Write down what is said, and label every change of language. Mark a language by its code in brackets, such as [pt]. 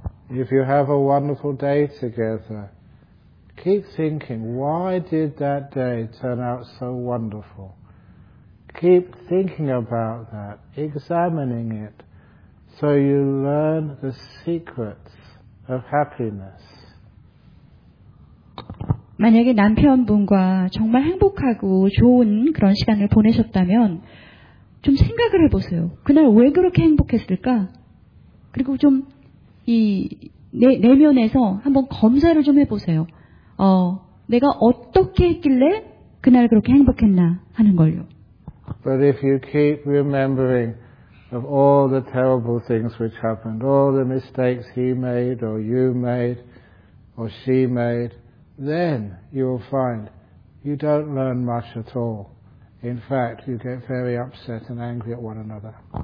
[en] If you have a wonderful day together, keep thinking, why did that day turn out so wonderful? Keep thinking about that, examining it, So you learn the secrets of happiness. [ko] 만약에 남편분과 정말 행복하고 좋은 그런 시간을 보내셨다면 좀 생각을 해보세요. 그날 왜 그렇게 행복했을까? 그리고 좀 이 내면에서 한번 검사를 좀 해보세요. 내가 어떻게 했길래 그날 그렇게 행복했나 하는 걸요. [en] But if you keep remembering of all the terrible things which happened, all the mistakes he made or you made or she made, then you will find you don't learn much at all. In fact, you get very upset and angry at one another.